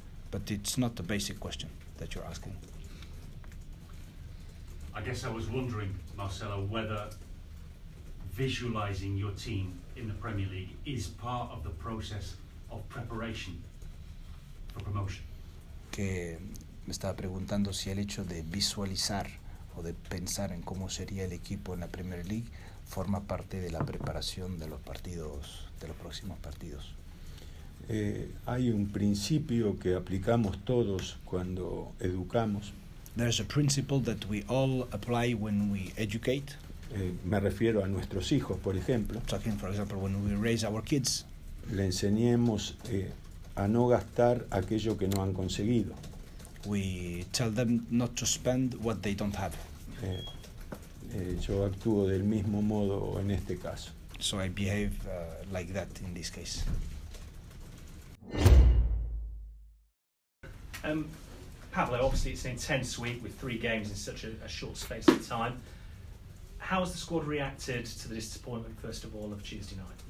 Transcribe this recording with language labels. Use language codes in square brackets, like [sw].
[en] But it's not the basic question that you're asking. I guess I was wondering, Marcelo, whether visualizing your team in the Premier League is part of the process of preparation for promotion. [es] Que me estaba preguntando si el hecho de visualizar o de pensar en cómo sería el equipo en la Premier League forma parte de la preparación de los partidos, de los próximos partidos. Hay un principio que aplicamos todos cuando educamos. [en] There's a principle that we all apply when we educate. [es] Me refiero a nuestros hijos, por ejemplo. [en] Talking, for example, when we raise our kids. [es] Le enseñemos a no gastar aquello que no han conseguido. [en] We tell them not to spend what they don't have. [es] Yo actúo del mismo modo en este caso. [en] So I behave like that in this case. Pablo, obviously it's an intense week with three games in such a short space of time. How has the squad reacted to the disappointment, first of all, of Tuesday night?